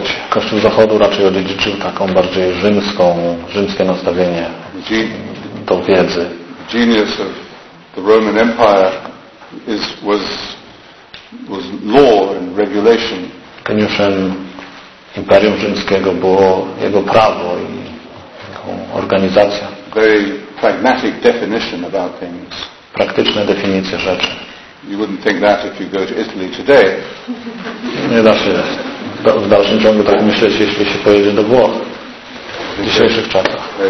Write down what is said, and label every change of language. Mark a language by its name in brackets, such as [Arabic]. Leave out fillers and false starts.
[Polish] Kościół zachodu raczej odziedziczył taką bardziej rzymskie nastawienie do wiedzy. [English] Genius of the Roman Empire was law and regulation. [Polish] Geniuszem Imperium Rzymskiego było jego prawo i organizacja. [English] Very pragmatic definition about things. [Polish] Praktyczne definicje rzeczy. [English] You wouldn't think that if you go to Italy today. [Polish] Nie da się w dalszym ciągu tak myśleć, jeśli się pojedzie do Włoch w dzisiejszych czasach.